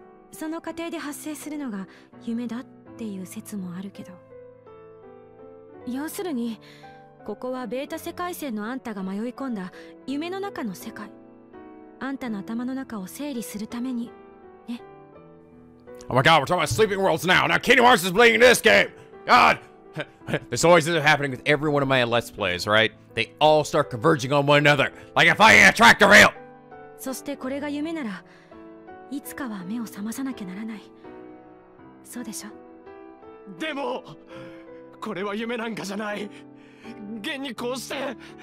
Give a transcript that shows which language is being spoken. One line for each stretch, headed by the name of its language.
Japanese: その過程で発生するのが夢だっていう説もあるけど、要するにここはベータ世界線のあんたが迷い込んだ夢の中の世界、あんたの頭の中を整理するためにね。
English: Oh my god, we're talking about sleeping worlds now. Now Kingdom Hearts is playing this game. God, this always is happening with every one of my Let's Plays, right? They all start converging on one another like a fire tractor rail.
Japanese: そしてこれが夢ならいつかは目を覚まさなきゃならない。そうでしょ。でもこれは夢なんかじゃない。現にこうして